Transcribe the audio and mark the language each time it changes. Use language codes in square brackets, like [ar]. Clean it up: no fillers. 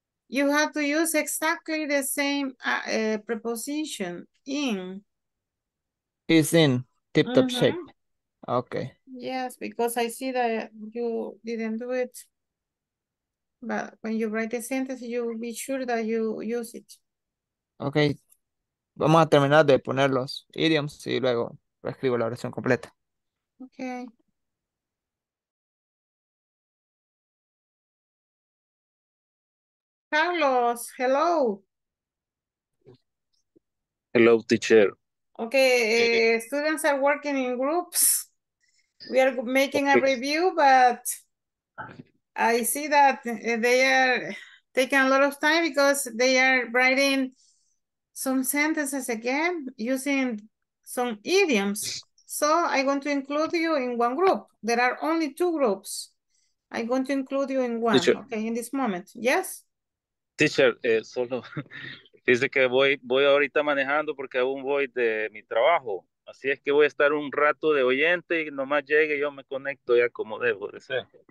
[en] You have to use exactly the same preposition, in. It's in tip-top shape. Okay. Yes, because I see that you didn't do it. But when you write the sentence, you will be sure that you use it. Okay. [es] Vamos a terminar de poner los idioms y luego reescribo la oración completa. [en] Okay. Carlos, hello. Hello, teacher. Okay, students are working in groups. We are making a review, but I see that they are taking a lot of time because they are writing some sentences again using some idioms. So I want to include you in one group. There are only two groups. I'm going to include you in one, okay, in this moment. Yes? [es] Teacher, solo dice que voy ahorita manejando porque aún voy de mi trabajo. Así es que voy a estar un rato de oyente y nomás llegue yo me conecto ya como debo de ser.